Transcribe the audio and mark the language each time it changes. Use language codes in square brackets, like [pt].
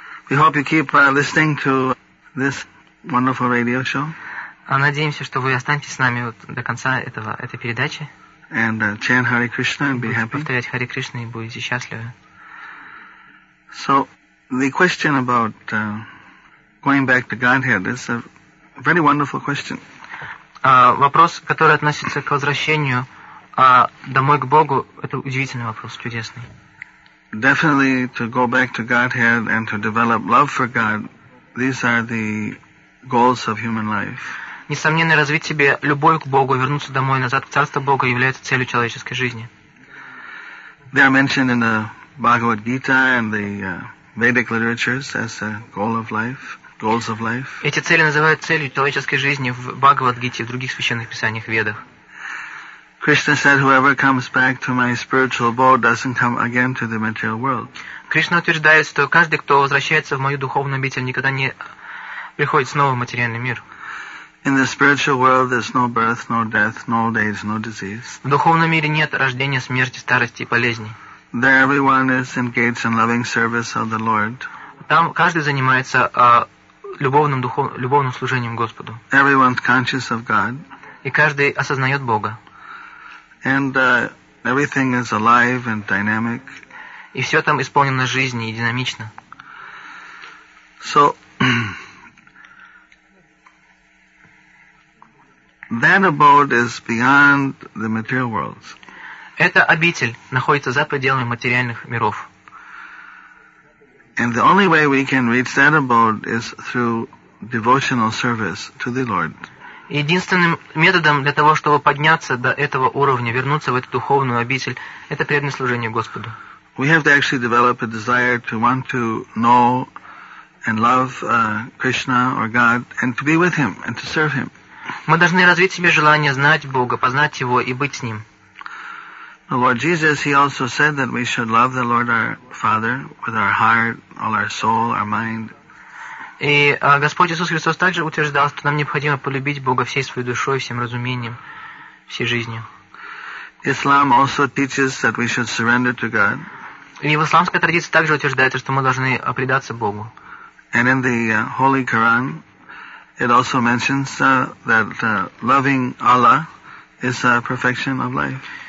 [en] We hope you keep listening to this wonderful radio show. [ru] Надеемся, что вы останетесь с нами до конца этой передачи. [en] And chant Hare Krishna and be happy. [ru] Повторять Hare Krishna и будете счастливы. [en] So, the question about going back to Godhead is a very wonderful question. [ru] Вопрос, который относится к возвращению домой к Богу, это удивительный вопрос, чудесный. [en] Definitely, to go back to Godhead and to develop love for God, these are the goals of human life. [ru] Несомненно, развить себе любовь к Богу, вернуться домой, назад к Царству Бога, является целью человеческой жизни. [en] They are mentioned in the Bhagavad Gita and the Vedic literatures as a goal of life, goals of life. [ru] Эти цели называют целью человеческой жизни в Бхагавад Гите и в других священных писаниях Ведах. [en] Krishna said, whoever comes back to my spiritual abode doesn't come again to the material world. [ru] Кришна утверждает, что каждый, кто возвращается в мою духовную обитель, никогда не приходит снова в материальный мир. [en] In the spiritual world, there's no birth, no death, no old age, no disease. [ru] В духовном мире нет рождения, смерти, старости и болезней. [en] There everyone is engaged in loving service of the Lord. [ru] Там каждый занимается любовным служением Господу. [en] Everyone's conscious of God. [ru] И каждый осознает Бога. [en] And everything is alive and dynamic. [ru] И все там исполнено жизни и динамично. [en] So that abode is beyond the material worlds. [ru] Эта обитель находится за пределами материальных миров. [en] And the only way we can reach that abode is through devotional service to the Lord. [ru] Единственным методом для того, чтобы подняться до этого уровня, вернуться в эту духовную обитель, это преданное служение Господу. [en] We have to actually develop a desire to want to know and love Krishna or God and to be with Him and to serve Him. [ru] Мы должны развить в себе желание знать Бога, познать Его и быть с Ним. [en] The Lord Jesus, He also said that we should love the Lord our Father with our heart, all our soul, our mind. [ru] И Господь Иисус Христос также утверждал, что нам необходимо полюбить Бога всей своей душой, всем разумением, всей жизнью. [en] Islam also teaches that we should surrender to God. [ru] И в исламской традиции также утверждается, что мы должны предаться Богу. [en] And in the Holy Quran, it also mentions that loving Allah is a perfection of life.